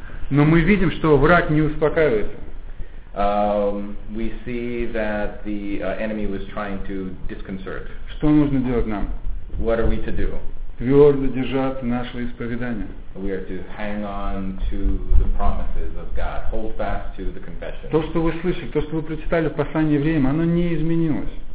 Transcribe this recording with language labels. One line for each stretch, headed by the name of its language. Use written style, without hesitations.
Russian: Но мы видим, что враг не успокаивается.
English: We see that the enemy was trying to disconcert.
Russian: Что нужно делать нам?
English: What are we to do?
Russian: Твердо держаться нашего исповедания.
English: We are to hang on to the promises of God. Hold fast to the confession.
Russian: То, что вы слышали, то, что вы прочитали в послании евреям, оно не изменилось.